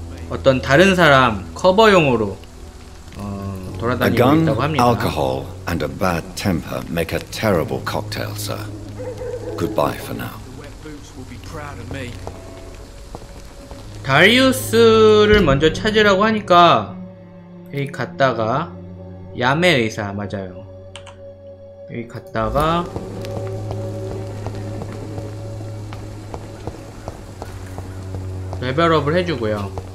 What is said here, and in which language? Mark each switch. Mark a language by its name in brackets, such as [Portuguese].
[Korean] 어떤 다른 사람 커버용으로 돌아다니고 있다고 합니다. [English] A gun, alcohol, and a bad temper make a terrible cocktail, sir. Goodbye for now. [Korean] 다리우스를 먼저 찾으라고 하니까 여기 갔다가 야매 의사 맞아요. 여기 갔다가 레벨업을 해주고요.